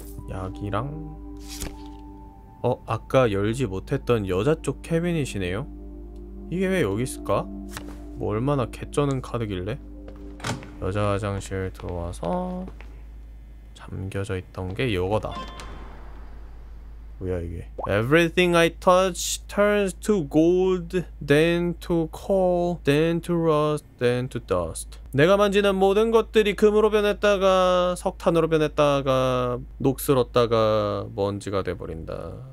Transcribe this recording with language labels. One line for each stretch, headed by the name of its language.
Korean: 약이랑. 어? 아까 열지 못했던 여자 쪽 캐비닛이네요? 이게 왜 여기 있을까? 뭐 얼마나 개쩌는 카드길래? 여자 화장실 들어와서 잠겨져 있던 게 이거다. 뭐야 이게.
English: Everything I touch turns to gold, then to coal, then to rust, then to dust.
Korean: 내가 만지는 모든 것들이 금으로 변했다가 석탄으로 변했다가 녹슬었다가 먼지가 돼버린다.